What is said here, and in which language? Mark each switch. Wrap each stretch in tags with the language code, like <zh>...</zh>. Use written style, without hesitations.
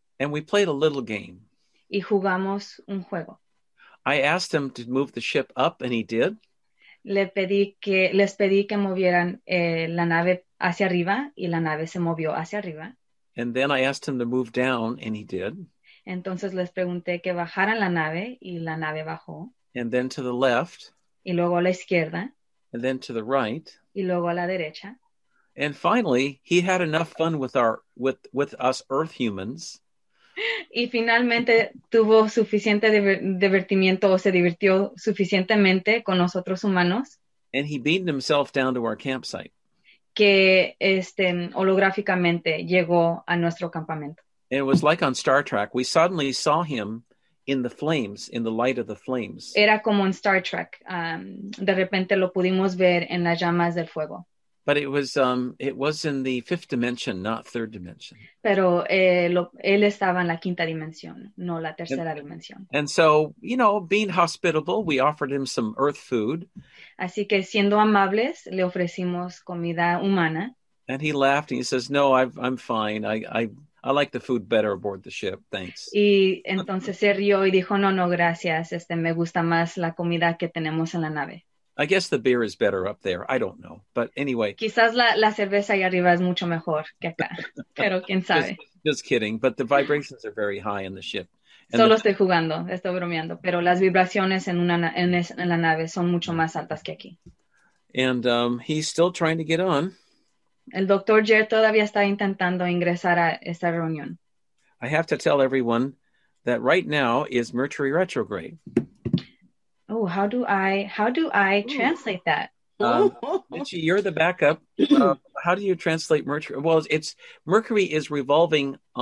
<en>And we played a little game.</en> <es>y jugamos un juego.</es> <en>I asked him to move the ship up and he did.</en> <es>Les pedí que movieran la nave hacia arriba y la nave se movió hacia arriba.</es> <en>And then I asked him to move down and he did.</en> <es>Entonces les pregunté que bajaran la nave y la nave bajó.</es> <en>And then to the left.</en> <es>Y luego a la izquierda.</es> <en>And then to the right.</en> <es>Y luego a la derecha.</es> <en>And finally, he had enough fun with us Earth humans.</en> <es>Y finalmente tuvo suficiente divertimiento o se divirtió suficientemente con nosotros humanos.</es> <en>And he beamed himself down to our campsite.</en> <es>Que holográficamente llegó a nuestro campamento.</es> <en>And it was like on Star Trek. We suddenly saw him in the flames, in the light of the flames.</en> <es>Era como en Star Trek. De repente lo pudimos ver en las llamas del fuego.</es> <en>But it was in the fifth dimension, not third dimension.</en> <es>Pero él estaba en la quinta dimensión, no la tercera dimensión.</es> <en>And so, you know, being hospitable, we offered him some earth food.</en> <es>Así que siendo amables, le ofrecimos comida humana.</es> <en>And he laughed and he says, "No, I'm fine. I like the food better aboard the ship. Thanks."</en> <es>Y entonces se rió y dijo, "No, no, gracias. Me gusta más la comida que tenemos en la nave."</es> <en>I guess the beer is better up there. I don't know. But anyway.</en> <es>Quizás la cerveza allá arriba es mucho mejor que acá. Pero quién sabe.</es> <en>Just kidding. But the vibrations are very high in the ship.</en> <es>And solo estoy jugando. Estoy bromeando. Pero las vibraciones en la nave son mucho más altas que aquí.</es> <en>And he's still trying to get on.</en> <es>El doctor Jer todavía está intentando ingresar a esta reunión.</es> <en>I have to tell everyone that right now is Mercury retrograde. Oh, how do I translate that? Mitchie, you're the backup. How do you translate Mercury? Well, it's Mercury is revolving</en>